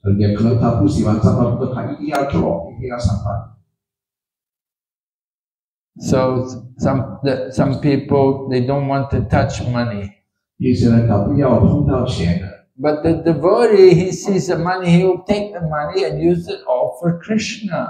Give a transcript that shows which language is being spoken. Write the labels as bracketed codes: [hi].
[zh] 也可能他不喜欢上班，不过他一定要做，一定要上班。 [en] So some people they don't want to touch money. [zh] 有些人他不要碰到钱的。 [en] But the devotee he sees the money, he will take the money and use it all for Krishna.